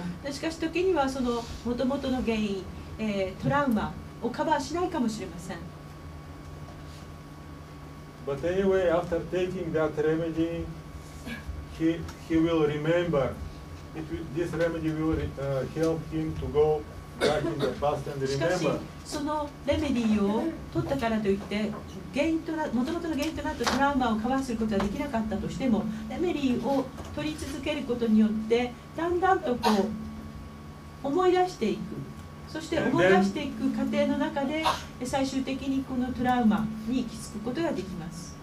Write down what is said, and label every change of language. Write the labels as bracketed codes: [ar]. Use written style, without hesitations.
[ja] しかし時にはそのもともとの原因、トラウマをカバーしないかもしれません。 [en] But anyway, after taking that remedy, he will remember it, this remedy will help him to go back in the past and remember. [ja] しかしそのレメディを取ったからといって元々の原因となったトラウマをカバーすることができなかったとしても、レメディを取り続けることによってだんだんとこう思い出していく、そして思い出していく過程の中で最終的にこのトラウマに気づくことができます。